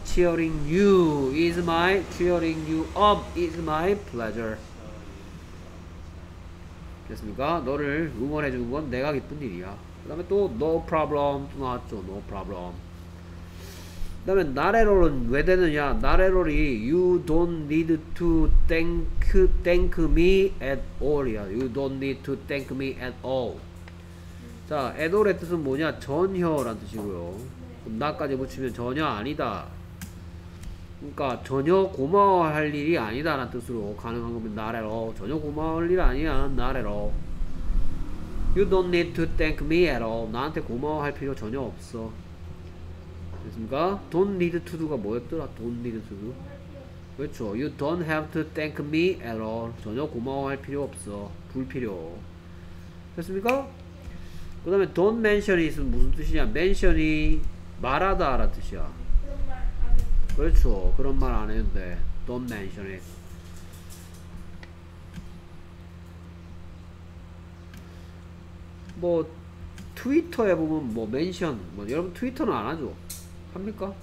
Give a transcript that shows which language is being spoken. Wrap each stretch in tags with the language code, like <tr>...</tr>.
<en>Cheering you is my cheering you up is my pleasure.</en> <ko>됐습니까? 너를 응원해 주는 건 내가 기쁜 일이야. 그다음에 또 no problem 또 나왔죠.</ko> <en>No problem.</en> <ko>그다음에 not at all은 왜 되느냐?</ko> <en>Not at all이 you don't need to thank me at all이야. You don't need to thank me at all.</en> <ko>자, at all의 뜻은 뭐냐? 전혀란 뜻이고요. 그럼 나까지 붙이면 전혀 아니다. 그러니까 전혀 고마워할 일이 아니다 라는 뜻으로 가능한 거면 not at all. 전혀 고마워할 일 아니야.</ko> <en>not at all. You don't need to thank me at all.</en> <ko>나한테 고마워할 필요 전혀 없어. 됐습니까?</ko> <en>don't need to do</en> <ko>가 뭐였더라? don't need to do. 그렇죠.</ko> <en>You don't have to thank me at all.</en> <ko>전혀 고마워할 필요 없어. 불필요. 됐습니까? 그 다음에</ko> <en>don't mention it</en> <ko>은 무슨 뜻이냐 mention이 말하다 라는 뜻이야 그렇죠 그런 말 안 해도 돼 don't mention it 뭐 트위터에 보면 뭐 mention 뭐 여러분 트위터는 안 하죠 합니까?</ko>